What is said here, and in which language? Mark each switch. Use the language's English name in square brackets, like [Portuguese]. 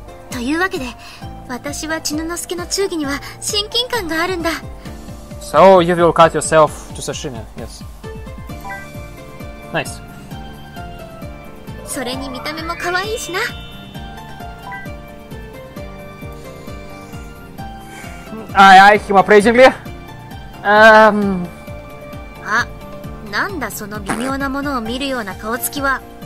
[Japanese] というわけで、私は千之助の忠義には親近感があるんだ。 [English] So you will cut yourself to sashimi, yes. Nice. [Japanese] それに見た目も可愛いしな。 [English] I eye him appraisingly. [Japanese] あ、なんだその微妙なものを見るような顔つきは。